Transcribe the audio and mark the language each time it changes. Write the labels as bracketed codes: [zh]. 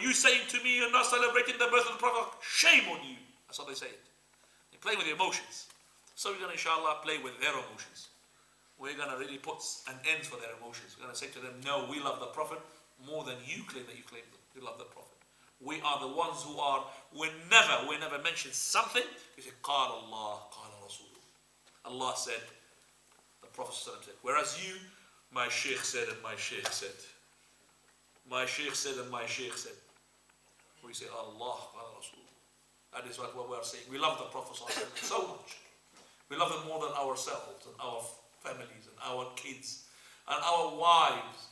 [en] Were you saying to me you're not celebrating the birth of the Prophet? Shame on you. That's what they say. They play with your emotions. So we're going to, inshallah, play with their emotions. We're going to really put an end for their emotions. We're going to say to them, no, we love the Prophet more than you claim that you claim them. You love the Prophet. We are the ones who are, we never mention something. You say, [ar] قال الله, قال رسول. [en] Allah said, the Prophet said. Whereas you, my Sheikh said and my Sheikh said. My Sheikh said and my Sheikh said. We say, Allah, [ar] قال رسول. [en] That is what we are saying. We love the Prophet so much. We love him more than ourselves and our families and our kids and our wives.